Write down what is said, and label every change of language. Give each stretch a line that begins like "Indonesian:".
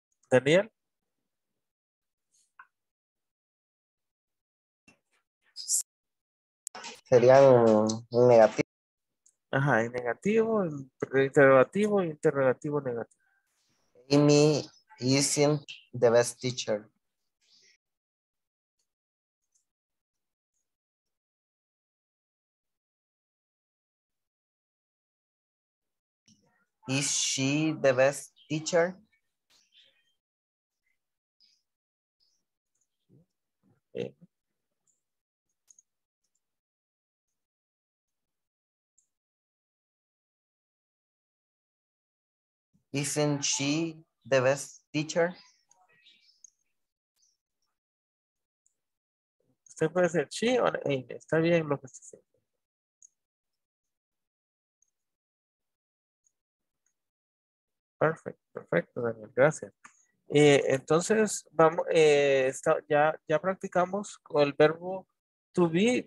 Spanish: Daniel. Serían en negativo. Ajá, en negativo, en interrogativo, interrogativo negativo.
English: Amy isn't the best teacher. Is she the best teacher? Isn't she the best teacher?
Spanish: Usted puede ser she o ain't. Está bien lo que está haciendo. Perfecto, perfecto, Daniel. Gracias. Entonces, vamos, ya practicamos con el verbo to be.